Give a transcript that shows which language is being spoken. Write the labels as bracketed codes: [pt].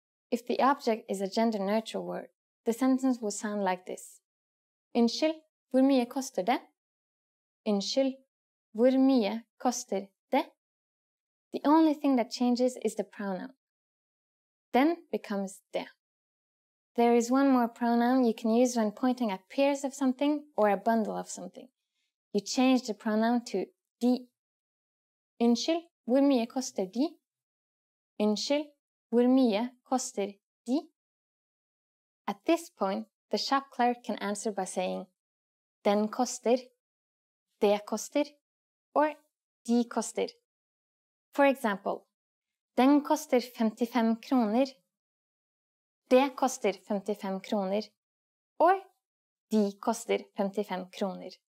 [en] If the object is a gender-neutral word, the sentence would sound like this. [no] Unnskyld, hvor mye koster det? Unnskyld, hvor mye koster det? [en] The only thing that changes is the pronoun. Den becomes det. There is one more pronoun you can use when pointing at pairs of something or a bundle of something. You change the pronoun to de. [no] Unnskyld, hvor mye koster de? Unnskyld, hvor mye koster de? [en] At this point, the shop clerk can answer by saying [no] den koster, det koster, [en] or [no] de koster. [en] For example, [no] den koster 55 kroner, det koster 55 kroner, or de koster 55 kroner.